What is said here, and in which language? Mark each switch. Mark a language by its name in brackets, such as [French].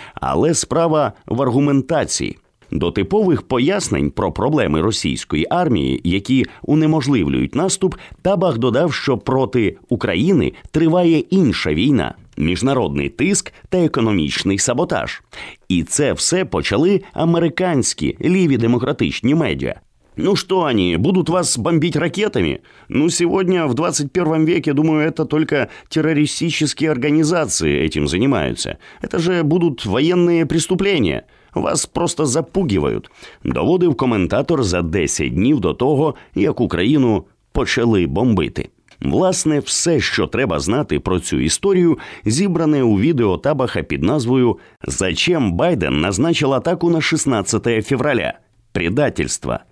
[Ukrainian] Але справа в аргументації. До типових пояснень про проблеми російської армії, які унеможливлюють наступ, Табах додав, що проти України триває інша війна – міжнародний тиск та економічний саботаж. І це все почали американські ліві демократичні медіа. [Russian] Ну что они, будут вас бомбить ракетами? Ну сегодня, в 21 веке, думаю, это только террористические организации этим занимаются. Это же будут военные преступления. Вас просто запугивают. [Ukrainian] Доводив коментатор за 10 днів до того, як Україну почали бомбити. Власне, все, що треба знати про цю історію, зібране у відео Табаха під назвою [Russian] «Зачем Байден назначил атаку на 16 февраля? Предательство».